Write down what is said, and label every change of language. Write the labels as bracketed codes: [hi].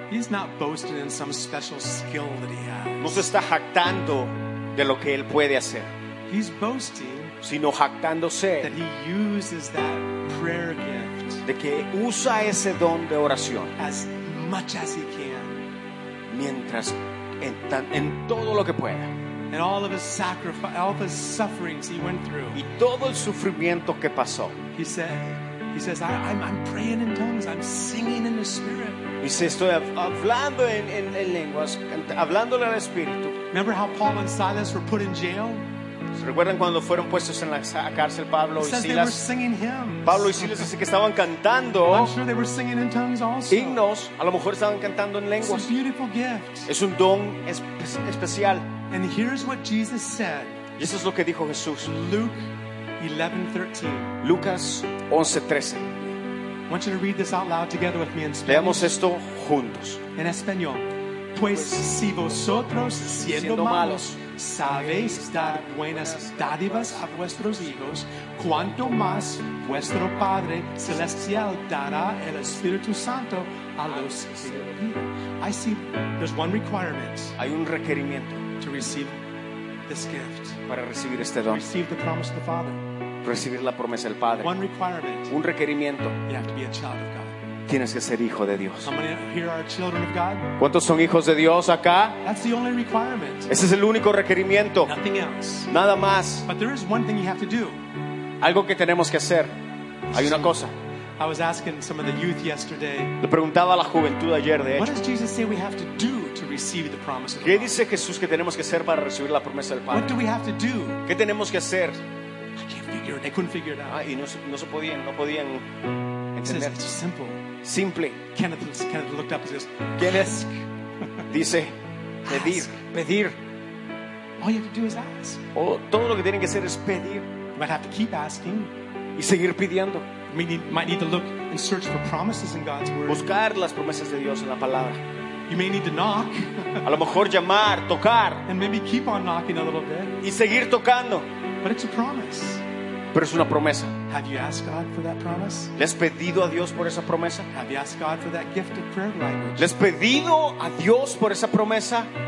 [en] He's not boasting in some special skill that he has. [es] No se está jactando de lo que él puede hacer. [en] He's boasting, [es] sino jactándose, [en] that he uses that prayer gift, [es] de que usa ese don de oración, [en] as much as he can, [es] mientras en todo lo que pueda. [en] And all of his sacrifice, all of his sufferings he went through. [es] Y todo el sufrimiento que pasó. [en] He says, I'm praying in tongues. I'm singing in the Spirit. [es] Y se estoy hablando en lenguas, hablándole al Espíritu. [en] Remember how Paul and Silas were put in jail? [es] ¿Se recuerdan cuando fueron puestos en la cárcel Pablo y Silas? [en] They were singing hymns. [es] Pablo y Silas dice que estaban cantando. [en] I'm sure they were singing in tongues also. [es] Himnos, a lo mejor estaban cantando en lenguas. [en] It's a beautiful gift. [es] Es un don especial. [en] And here's what Jesus said. [es] Y eso es lo que dijo Jesús. [en] Luke 11:13. [es] Lucas 11:13. [en] I want you to read this out loud together with me in Spanish. [es] Leamos esto juntos. En español. Pues si vosotros siendo malos sabéis dar buenas dádivas a vuestros hijos, cuanto más vuestro Padre celestial dará el Espíritu Santo a los que le piden. [en] I see. There's one requirement. [es] Hay un requerimiento. [en] To receive this gift. [es] Para recibir este don. [en] Receive the promise of the Father. [es] Recibir la promesa del Padre. [en] One requirement. [es] Un requerimiento. [en] You have to be a child of God. [es] Tienes que ser hijo de Dios. [en] How many here are children of God? [es] ¿Cuántos son hijos de Dios acá? [en] That's the only requirement. [es] Ese es el único requerimiento. [en] Nothing else. [es] Nada más. [en] But there is one thing you have to do. [es] Algo que tenemos que hacer. Hay una cosa. [en] I was asking some of the youth yesterday. [es] Le preguntaba a la juventud ayer, de hecho. [en] What does Jesus say we have to do to receive the promise of the Father? [es] ¿Qué dice Jesús que tenemos que hacer para recibir la promesa del Padre? [en] What do we have to do? [es] ¿Qué tenemos que hacer? [en] figure it. They couldn't figure it out. [es] Ah, y no podían entender. [en] He says, it's simple. [es] Simple. [en] Kenneth looked up and says, [es] ¿quién es? Dice, pedir. Ask. Pedir. [en] All you have to do is ask. [es] Oh, todo lo que tienen que hacer es pedir. [en] You might have to keep asking. [es] Y seguir pidiendo. [en] Might need to look and search for promises in God's word. [es] Buscar las promesas de Dios en la palabra. [en] You may need to knock. [es] A lo mejor llamar, tocar. [en] And maybe keep on knocking a little bit. [es] Y seguir tocando. [en] But it's a promise. [es] Pero es una promesa. [en] Have you asked God for that promise? [es] ¿Le has pedido a Dios por esa promesa? [en] Have you asked God for that gift of prayer language? [es] ¿Le has pedido a Dios por esa promesa?